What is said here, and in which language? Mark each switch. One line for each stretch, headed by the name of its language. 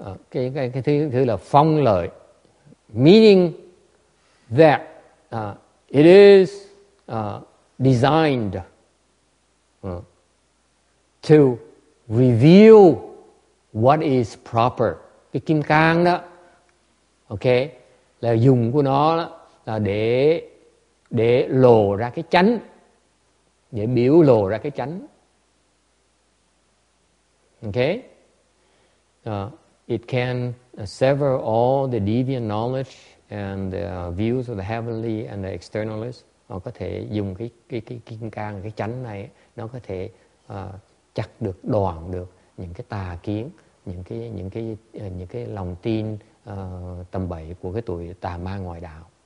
Vietnamese: Cái thứ là phong lợi,
English: meaning that it is designed to reveal what is proper.
Vietnamese: Cái kim cang đó,
English: okay,
Vietnamese: là dùng của nó là để lộ ra cái chánh, để biểu lộ ra cái chánh.
English: Okay? It can sever all the deviant knowledge and the views of the heavenly and the externalist.
Vietnamese: Nó có thể dùng cái kim cang, cái chánh này, nó có thể chặt được, đoạn được những cái tà kiến, những cái lòng tin tầm bậy của cái tụi tà ma ngoại đạo.